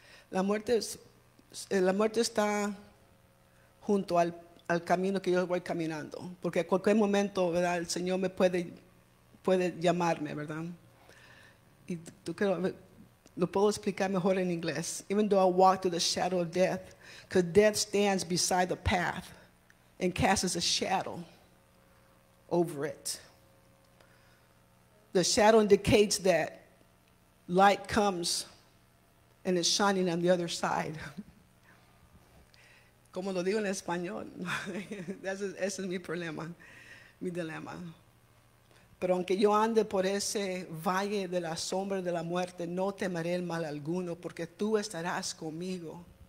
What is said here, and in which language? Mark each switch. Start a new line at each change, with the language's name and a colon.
Spanish: La muerte está junto al camino que yo voy caminando, porque a cualquier momento, ¿verdad?, el Señor me puede llamarme, ¿verdad? Y tú creo, lo puedo explicar mejor en inglés.
English: Even though I walk through the shadow of death, because death stands beside the path and casts a shadow over it. The shadow indicates that light comes and it's shining on the other side.
Spanish: Como lo digo en español, ese es mi problema, mi dilema. Pero aunque yo ande por ese valle de la sombra de la muerte, no temeré el mal alguno, porque tú estarás conmigo.